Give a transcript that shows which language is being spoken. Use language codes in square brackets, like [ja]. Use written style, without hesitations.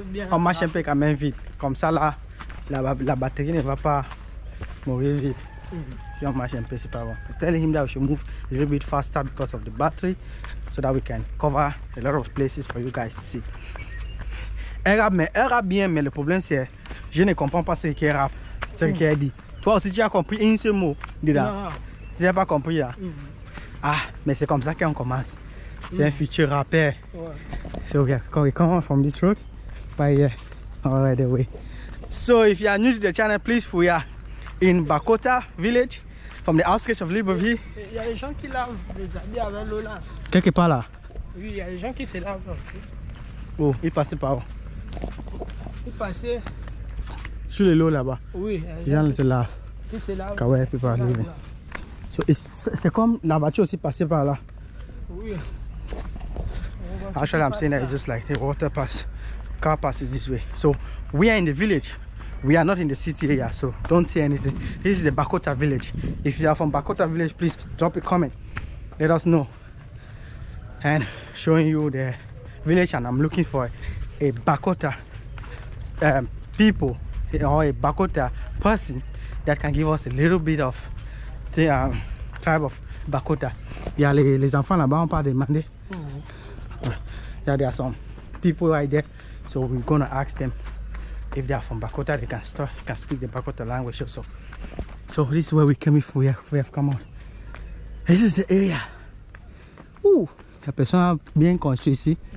[fr] On marche un peu quand même vite, comme ça là, la batterie ne va pas mourir vite. Si on marche un peu, c'est pas bon. [en] Je tell him that we should move a little bit faster because of the battery, so that we can cover a lot of places for you guys to see. [fr] Elle rappe bien, mais le problème c'est, je ne comprends pas ce qu'elle rappe, ce qu'elle dit. Toi aussi tu as compris un seul mot dedans. Tu n'as pas compris là. Ah, mais c'est comme ça qu'on commence. C'est un futur rappeur. [en] So yeah, can we come from this road? By here, all the way. So if you are new to the channel, please, we are in Bakota village, from the outskirts of Libreville. [fr] Il y a des gens qui lavent les habits avec l'eau là. Quelque part là? Oui, il y a des gens qui se lavent aussi. Oh, ils passaient par où? Ils passaient sur l'eau là-bas. Oui. Les gens se lavent. Ils se lavent. Car ouais, ils peuvent aller. So, c'est comme la voiture aussi passait par là. Oui. [en] Actually, I'm saying that it's just like the water pass, car passes this way. So we are in the village. We are not in the city area, so don't say anything. This is the Bakota village. If you are from Bakota village, please drop a comment. Let us know. And showing you the village, and I'm looking for a Bakota people or a Bakota person that can give us a little bit of the tribe of Bakota. [fr] Yeah, les enfants là-bas, on parle de Mandé. [en] Yeah, there are some people right there, so we're gonna ask them if they are from Bakota. They can start, can speak the Bakota language also. So this is where we came from. We have come out. This is the area. [fr] Ooh, la personne bien construit ici.